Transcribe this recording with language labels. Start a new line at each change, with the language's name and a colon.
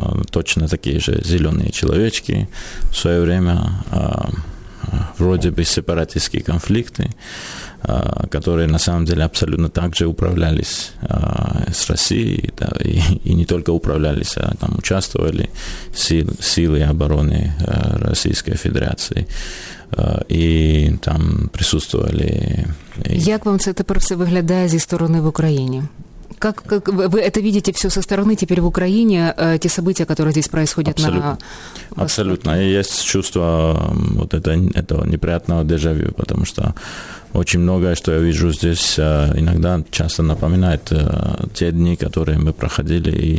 Russian: Точно такие же зеленые человечки в свое время. Вроде бы сепаратистские конфликты. которые на самом деле абсолютно так же управлялись с Россией, да, и не только управлялись, а там участвовали силы обороны Российской Федерации.
Ukrainian: І там присутствували. Як вам це тепер все виглядає зі сторони в Україні?
Russian: Как вы это видите все со стороны теперь в Украине, те события, которые здесь происходят? Абсолютно. На абсолютно. И есть чувство вот этого неприятного дежавю, потому что очень многое, что я вижу здесь, иногда часто напоминает те дни, которые мы проходили.